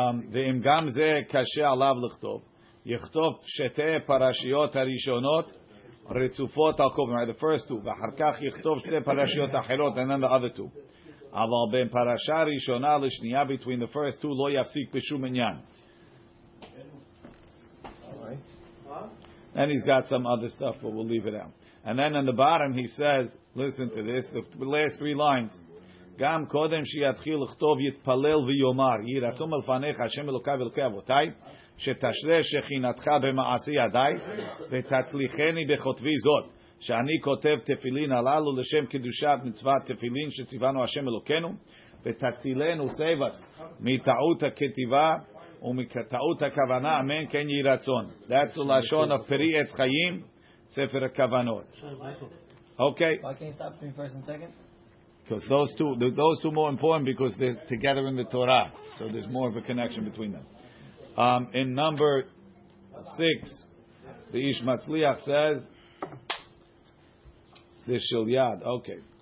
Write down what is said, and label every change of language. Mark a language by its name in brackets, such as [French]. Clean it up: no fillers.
[Hebrew] ואם גם זה קשה עליו לכתוב יכתוב שתי פרשיות הראשונות רצופות על קובן, [English] the first two, [Hebrew] ואחר כך יכתוב שתי פרשיות אחרות, [English] and then the other two. [Hebrew] אבל בין פרשה ראשונה לשנייה, [English] between the first two, [Hebrew] לא יפסיק בשום עניין. [English] Then he's got some other stuff, but we'll leave it out. And then in the bottom he says, listen to this, the last three lines. [Hebrew] גם קודם שיתחיל לכתוב יתפלל ויומר, יהי רצון מלפניך, השם אלוקי ואלוקי אבותי, שתשרה שכינתך במעשי ידי ותצליחני בכותבי זאת שאני כותב תפילין הללו לשם קדושת מצוות תפילין שציוונו השם אלוקנו ותצילנו סייבס מטעות הכתיבה ומטעות הכוונה אמן כן יהי רצון [English] that's the [Hebrew] לשון of פרי עץ חיים ספר הכוונות [English] okay why can't you stop between first and second because those two more important because they're together in the Torah so there's more of a connection between them. In number 6, the Ish Matzliach says, the Shilyad. Okay.